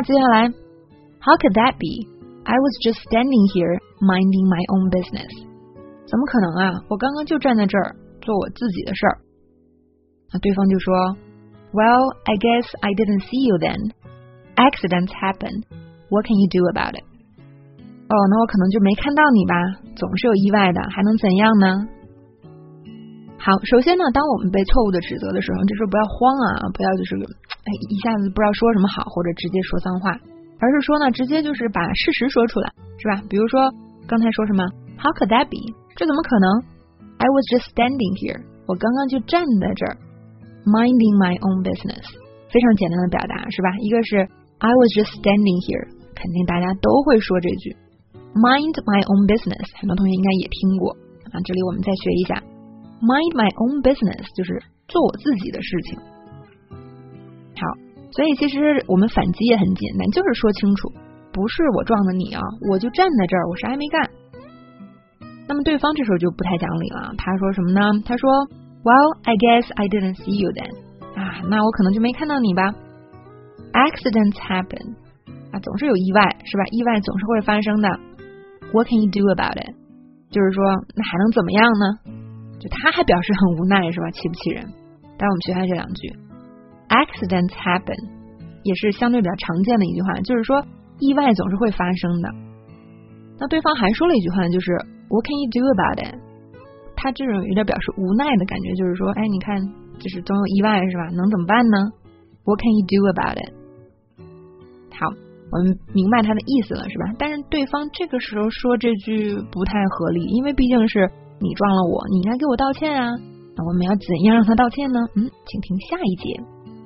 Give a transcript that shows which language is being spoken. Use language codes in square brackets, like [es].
[zh] 接下来 [en] ，How could that be? I was just standing here, minding my own business. [zh] 怎么可能啊？我刚刚就站在这儿，做我自己的事儿。那对方就说 [en] Well, I guess I didn't see you then. Accidents happen. What can you do about it? [zh] 哦，那我可能就没看到你吧，总是有意外的，还能怎样呢？好，首先呢，当我们被错误的指责的时候，这时候不要慌啊，不要就是一下子不知道说什么好，或者直接说脏话，而是说呢，直接就是把事实说出来，是吧？比如说刚才说什么 [en] How could that be? [zh] 这怎么可能？ [en] I was just standing here. [zh] 我刚刚就站在这儿 [en] minding my own business， [zh] 非常简单的表达，是吧？一个是 [en] I was just standing here， [zh] 肯定大家都会说这句 [en] mind my own business， [zh] 很多同学应该也听过啊。这里我们再学一下 [en] mind my own business， [zh] 就是做我自己的事情。好，所以其实我们反击也很简单，就是说清楚不是我撞的你啊，我就站在这儿，我啥也没干。那么对方这时候就不太讲理了，他说什么呢？他说 [en] Well, I guess I didn't see you then. [zh] 啊，那我可能就没看到你吧。 [en] Accidents happen. [zh] 啊，总是有意外，是吧？意外总是会发生的。 [en] What can you do about it? [zh] 就是说那还能怎么样呢？就他还表示很无奈，是吧？气不气人？但我们学下这两句。 [en] Accidents happen [zh] 也是相对比较常见的一句话，就是说意外总是会发生的。那对方还说了一句话，就是 [en] What can you do about it? [zh] 他这种有点表示无奈的感觉，就是说，哎，你看，就是总有意外，是吧？能怎么办呢？ [en] What can you do about it? [zh] 好，我们明白他的意思了，是吧？但是对方这个时候说这句不太合理，因为毕竟是你撞了我，你应该给我道歉啊。那我们要怎样让他道歉呢？请听下一节。